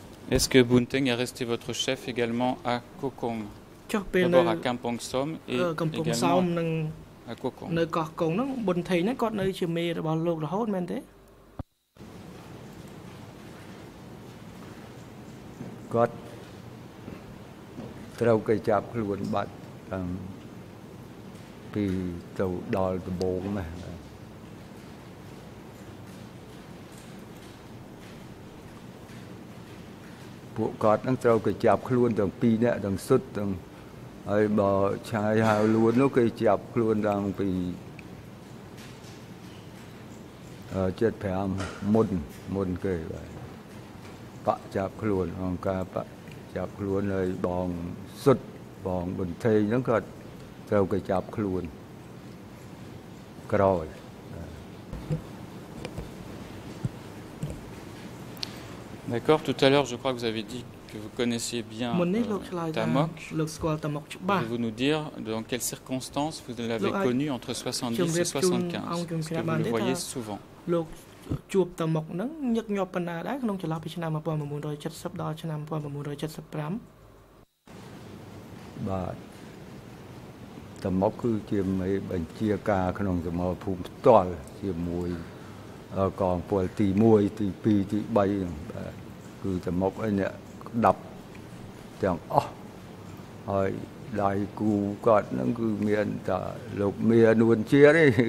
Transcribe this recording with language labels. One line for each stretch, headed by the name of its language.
French: Est-ce que Bun Thanh est resté votre chef également à Co Cong?
Khmer: ចុះពេលនៅកំពង់សោមនិងកោះកុងនោះបុនថេងហ្នឹងគាត់នៅជាមេរបស់លោករហូតមែនទេគាត់ត្រូវគេចាប់ខ្លួនបាត់តាំងពីទៅដល់ដំបូងហ្នឹង ពួកគាត់ហ្នឹងត្រូវគេចាប់ខ្លួនទាំងពីរនាក់ទាំងសុទ្ធទាំង ហើយបើឆាយហៅលួននោះគេចាប់ខ្លួនតាំងពីជិតប្រាំមុនគេបាទបាក់ចាប់ខ្លួនអង្គការបាក់ចាប់ខ្លួនហើយបងសុទ្ធបងបន្ទេញហ្នឹងគាត់ត្រូវគេចាប់ខ្លួនក្រោយ
French: D'accord, tout à l'heure, je crois que vous avez dit que vous connaissiez bien Tamok. Pouvez-vous nous dire dans quelles circonstances vous l'avez connu entre 70 et 75? Est-ce que vous le voyez souvent?
Khmer: Tamok, គឺតមុកអីនេះដាប់ទាំងអស់ហើយដៃគូគាត់ហ្នឹងគឺមានតែលោកមានួនជាទេ